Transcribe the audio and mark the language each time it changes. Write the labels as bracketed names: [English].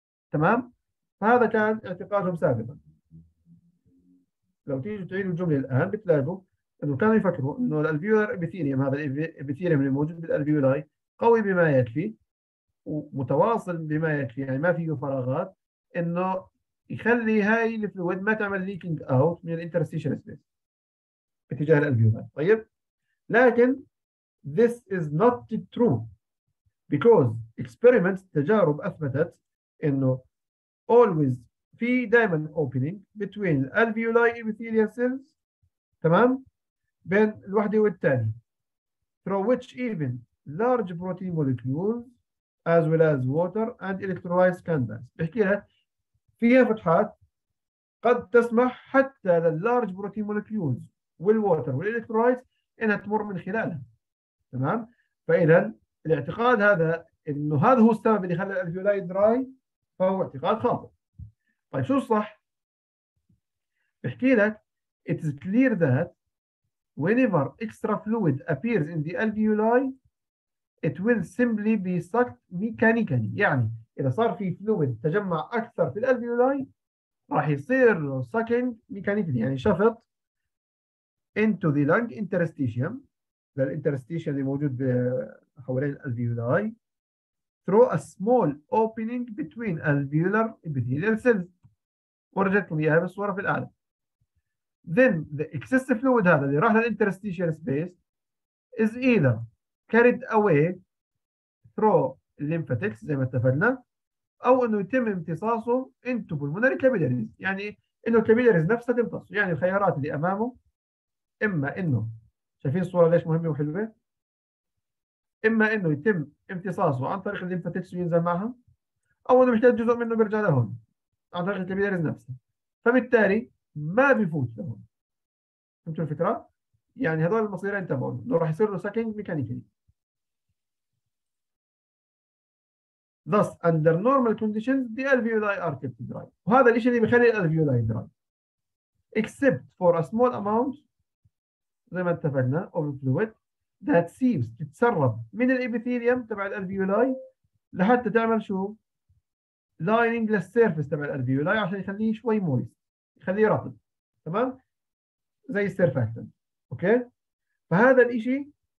[Arabic] تمام؟ فهذا كان اعتقادهم سابقا. لو تيجي تعيد الجمله الان بتلاقوا انه كانوا يفكروا انه الالفيولار ابيثيريوم، هذا الابيثيريوم اللي موجود بالالفيولاي قوي بما يكفي ومتواصل بما يكفي، يعني ما فيه فراغات، انه يخلي هاي الفلويد ما تعمل ليكينج اوت من الانترستيشن سبيس باتجاه الالفيولاي. [English] طيب، لكن this is not true because experiments [Arabic] تجارب اثبتت انه [English] always [Arabic] في دائما [English] opening between alveoli epithelial cells، [Arabic] تمام، بين الوحدة والتانية، [English] through which even large protein molecules as well as water and electrolytes can pass. [Arabic] بحكيها فيها فتحات قد تسمح حتى لل [English] large protein molecules [Arabic] والwater والelectrolytes انها تمر من خلالها. تمام، فاذا الاعتقاد هذا انه هذا هو السبب اللي خلى الالفيولاي دراي فهو اعتقاد خاطئ. طيب شو الصح؟ بحكي لك [English] it is clear that whenever extra fluid appears in the alveoli it will simply be sucked mechanically. [Arabic] يعني اذا صار في فلويد تجمع اكثر في الالفيولاي راح يصير [English] sucking mechanically، [Arabic] يعني شفط [English] into the lung interstitium، [Arabic] الانترستيشن اللي موجود حوالين الالفيولاي، [English] through a small opening between alveolar epithelial cells. [Arabic] ورجتكم اياها بالصوره في الاعلى. [English] Then the excessive fluid [Arabic] هذا اللي راح للانترستيشن سبيس [English] is either carried away through lymphatics [Arabic] زي ما اتفقنا، او انه يتم امتصاصه [English] into pulmonary capillaries، [Arabic] يعني انه الكابيلاريز نفسها تمتص، يعني الخيارات اللي امامه اما انه، شايفين الصورة ليش مهمة وحلوة؟ إما إنه يتم امتصاصه عن طريق الليمفاتكس وينزل معها، أو إنه محتاج جزء منه بيرجع لهون عن طريق الكابيلاريز نفسه، فبالتالي ما بيفوت لهون. فهمتوا الفكرة؟ يعني هذول المصيرين تبعهم، إنه راح يصير له ساكنج ميكانيكي. [English] Thus under normal conditions the alveoli are kept dry. [Arabic] وهذا الإشي اللي بيخلي الألفيولاي dry. [English] Except for a small amount [Arabic] زي ما اتفقنا [English] of fluid that seems [Arabic] تتسرب من الابيثيليوم تبع الالفيولاي لحتى تعمل شو؟ lining للسيرفس تبع الالفيولاي عشان يخليه شوي مويست، يخليه رطب، تمام؟ زي السيرفاكتن، اوكي؟ فهذا الاشي